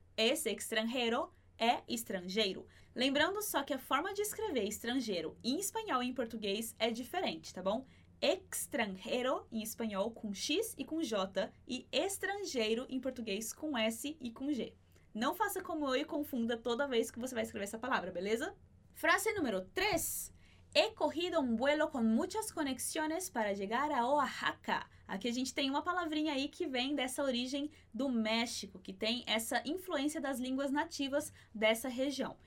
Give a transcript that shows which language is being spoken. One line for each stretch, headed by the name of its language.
Portuguese: Esse extranjero é estrangeiro. Lembrando só que a forma de escrever estrangeiro em espanhol e em português é diferente, tá bom? Extranjero em espanhol com X e com J e estrangeiro em português com S e com G. Não faça como eu e confunda toda vez que você vai escrever essa palavra, beleza? Frase número 3.
Spanish: He corrido un vuelo con muchas conexiones para llegar a Oaxaca.
Portuguese: Aqui a gente tem uma palavrinha aí que vem dessa origem do México, que tem essa influência das línguas nativas dessa região.